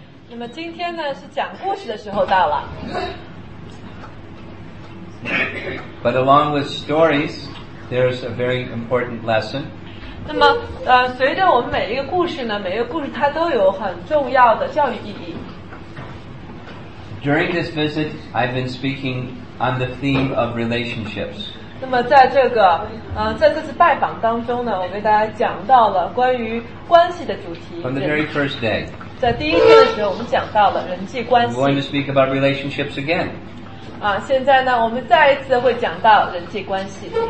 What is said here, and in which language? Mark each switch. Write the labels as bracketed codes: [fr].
[zh] 那么今天呢, 是讲故事的时候到了。 [en] But along with stories, there's a very important lesson. [zh] 那么, 随着我们每一个故事呢, 每一个故事它都有很重要的教育意义。 [en] During this visit, I've been speaking on the theme of relationships. [zh] 那么在这个, 在这次拜访当中呢, 我给大家讲到了关于关系的主题。 [en] From the very first day. [zh] 在第一天的时候, 我们讲到了人际关系。 [en] We're going to speak about relationships again. [zh] 现在呢, 我们再一次会讲到人际关系。